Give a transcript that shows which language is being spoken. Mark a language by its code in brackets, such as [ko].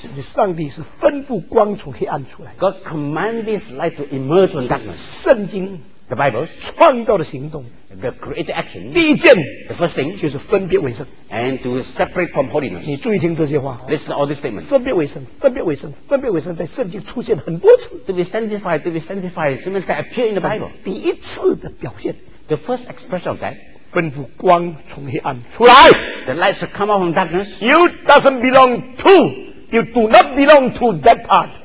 [zh] 你上帝是吩咐光从黑暗出来。 [en] God commands this light to emerge from darkness. [zh] 圣经 [en] ，The Bible, [zh] 创造的行动 [en] ，The created action. [zh] 第一件 [en] ，The first thing, [zh] 就是分别为圣 [en] ，And to separate from holiness. [zh] 你注意听这些话 [en] ，Listen to all these statements. [zh] 分别为圣，分别为圣，分别为圣，在圣经出现很多次。 [en] To be sanctified, to be sanctified, sometimes that appear in the Bible. [zh] 第一次的表现 [en] ，The first expression of that. [zh] 吩咐光从黑暗出来 [en] The light should come out from darkness You doesn't belong to You do not belong to that part